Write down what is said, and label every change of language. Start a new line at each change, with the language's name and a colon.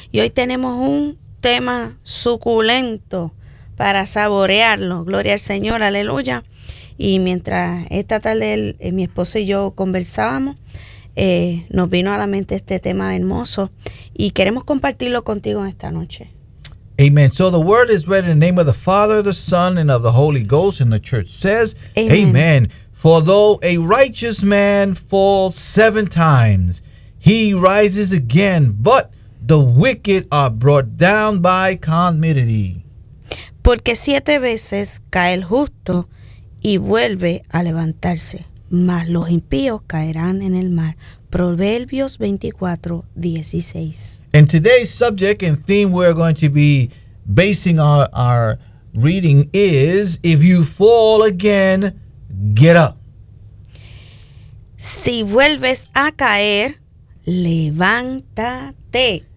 Spanish: Y hoy tenemos un tema suculento para saborearlo. Gloria al Señor, aleluya. Y mientras esta tarde mi esposo y yo conversábamos, nos vino a la mente este tema hermoso y queremos compartirlo contigo en esta noche. Amen.
English: So the word is read in the name of the Father, the Son, and of the Holy Ghost, and the church says, Amen. Amen. For though a righteous man falls 7 times, he rises again, but the wicked are brought down by calamity.
Spanish: Porque 7 veces cae el justo y vuelve a levantarse, mas los impíos caerán en el mar. Proverbios 24:16.
English: And today's subject and theme we're going to be basing our reading is, if you fall again, get up.
Spanish: Si vuelves a caer, levántate.